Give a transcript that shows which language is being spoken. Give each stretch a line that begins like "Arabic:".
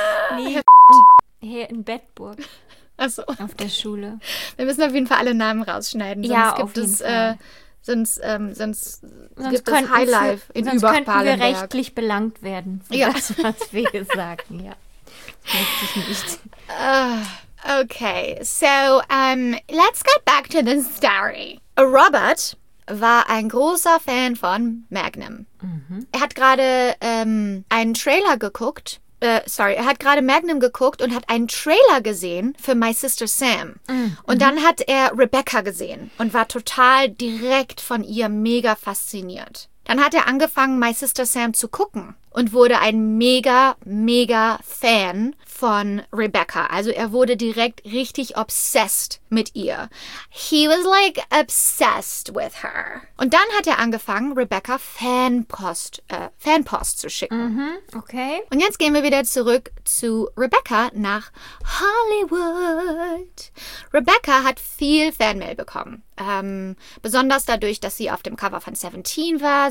German: Oh nee, hier in Bettburg. Achso. Auf der Schule. Wir müssen auf jeden Fall alle Namen rausschneiden. Ja, sonst gibt es sonst gibt es Highlife in Überfallenberg. Sonst könnten wir rechtlich belangt werden für das, was wir sagen. Ja. Das möchte ich nicht.
English: Okay, so let's get back to the story.
German: Robert war ein großer Fan von Magnum. Mhm. Er hat gerade einen Trailer geguckt. Er hat gerade Magnum geguckt und hat einen Trailer gesehen für My Sister Sam. Mhm. Und dann hat er Rebecca gesehen und war total direkt von ihr mega fasziniert. Dann hat er angefangen, My Sister Sam zu gucken und wurde ein mega, mega Fan von Rebecca. Also er wurde direkt richtig obsessed mit ihr.
English: He was like obsessed with her.
German: Und dann hat er angefangen, Rebecca Fanpost zu schicken. Mhm, okay. Und jetzt gehen wir wieder zurück zu Rebecca nach Hollywood. Rebecca hat viel Fanmail bekommen. Besonders dadurch, dass sie auf dem Cover von 17 war.